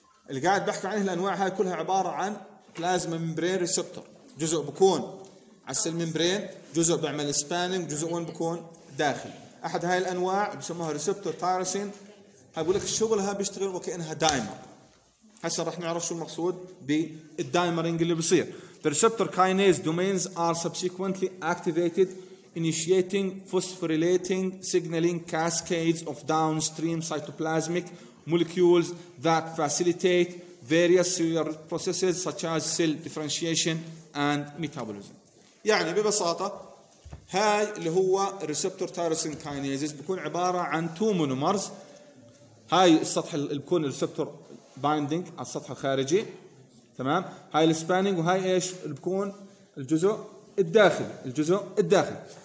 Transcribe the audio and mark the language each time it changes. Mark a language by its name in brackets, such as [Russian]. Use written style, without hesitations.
[Arabic] اللي قاعد بحكي عنه الأنواع هاي كلها عبارة عن [English] plasma membrane receptor. [Arabic] جزء بكون عسل membrane، جزء بعمل spanning، جزء وين بكون؟ داخل. أحد هاي الأنواع بسموها receptor tyrosine، هاي بقولك الشغل هاي بيشتغل وكأنها dimer. هسا رح نعرف شو المقصود بالdimering اللي بصير. [English] The receptor kinase domains are subsequently activated initiating phosphorylating signaling cascades of downstream cytoplasmic molecules that facilitate various cellular processes such as cell differentiation and metabolism. [Arabic] يعني ببساطة هاي اللي هو [English] receptor tyrosine kinases [Arabic] بيكون عبارة عن [English] two monomers. [Arabic] هاي السطح اللي بيكون [English] receptor binding [Arabic] على السطح الخارجي، تمام. هاي spanning وهاي ايش اللي بيكون الجزء الداخلي، الجزء الداخلي.